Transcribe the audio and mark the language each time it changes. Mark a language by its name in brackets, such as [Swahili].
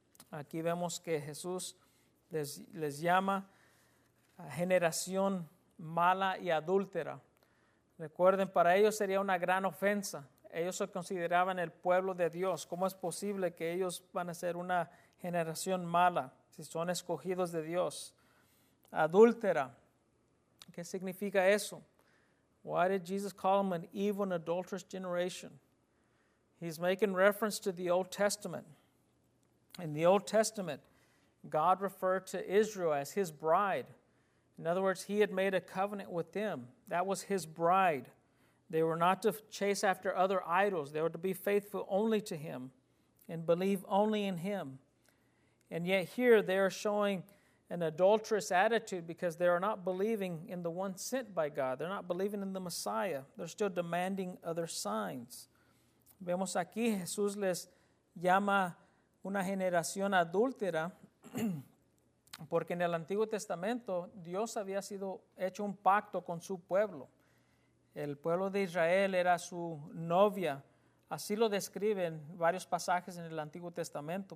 [Spanish] Aquí vemos que Jesús les llama generación mala y adúltera. Recuerden, para ellos sería una gran ofensa. Ellos se consideraban el pueblo de Dios. ¿Cómo es posible que ellos van a ser una generación mala si son escogidos de Dios? Adúltera. ¿Qué significa eso? [English] Why did Jesus call them an evil and adulterous generation? He's making reference to the Old Testament. In the Old Testament, God referred to Israel as his bride. In other words, he had made a covenant with them. That was his bride. They were not to chase after other idols. They were to be faithful only to him and believe only in him. And yet here they are showing an adulterous attitude because they are not believing in the one sent by God. They're not believing in the Messiah. They're still demanding other signs. [Spanish] Vemos aquí Jesús les llama una generación adúltera porque en el Antiguo Testamento Dios había sido hecho un pacto con su pueblo. El pueblo de Israel era su novia. Así lo describen varios pasajes en el Antiguo Testamento.